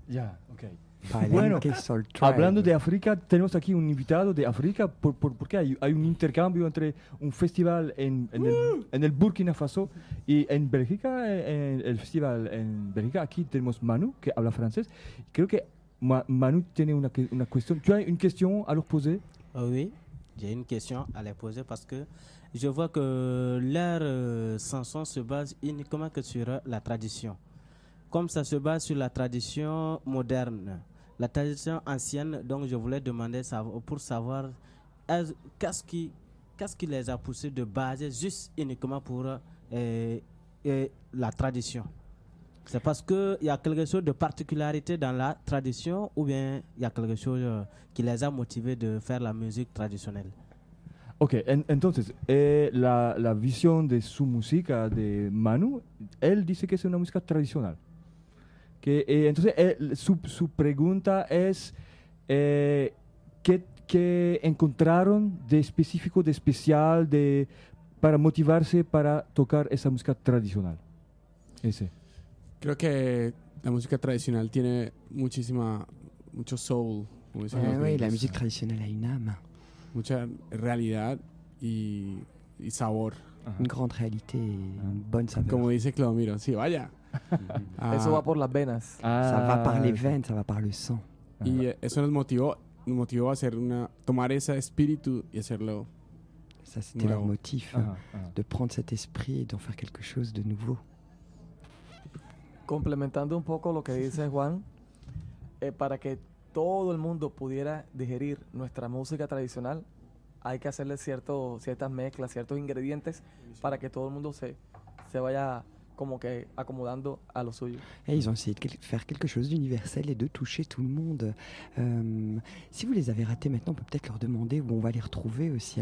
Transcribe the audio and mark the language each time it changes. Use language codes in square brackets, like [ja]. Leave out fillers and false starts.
[es] Ya, ok. Bueno, hablando de África, tenemos aquí un invitado de África. ¿Por qué hay un intercambio entre un festival en el Burkina Faso y en Bélgica? En el festival en Bélgica, aquí tenemos Manu, que habla francés. Creo que [fr] Manu tenait une question. Tu as une question à leur poser? Oui, j'ai une question à leur poser parce que je vois que leur chanson se base uniquement que sur la tradition. Comme ça se base sur la tradition moderne, la tradition ancienne, donc je voulais demander pour savoir qu'est-ce qui les a poussés de baser juste uniquement pour la tradition. C'est parce qu'il y a quelque chose de particularité dans la tradition ou bien il y a quelque chose qui les a motivés de faire la musique traditionnelle. [es] Ok, entonces, la vision de su música, de Manu, [fr] elle dit que c'est une musique traditionnelle. [es] Entonces, su pregunta es qué encontraron de específico, de especial, de para motivarse para tocar esa música tradicional. Ese. Creo que la música tradicional tiene mucho soul. La música tradicional hay una ama. Mucha realidad y sabor. Uh-huh. Una gran realidad y un buen sabor. Como dice Clodomiro, sí, vaya. Eso va por las venas. [fr] Ça va par les veines, ça va par le sang. [es] Y eso nos motivó a hacer tomar ese espíritu y hacerlo. [fr] Ça c'était leur motif, de prendre cet esprit et d'en faire quelque chose de nouveau. [es] Complementando un poco lo que dice Juan, para que todo el mundo pudiera digerir nuestra música tradicional, hay que hacerle ciertas mezclas, ciertos ingredientes para que todo el mundo se vaya como que acomodando a lo suyo. [fr] Et ils ont essayé de faire quelque chose d'universel et de toucher tout le monde. Si vous les avez ratés maintenant, on peut peut-être leur demander où on va les retrouver aussi.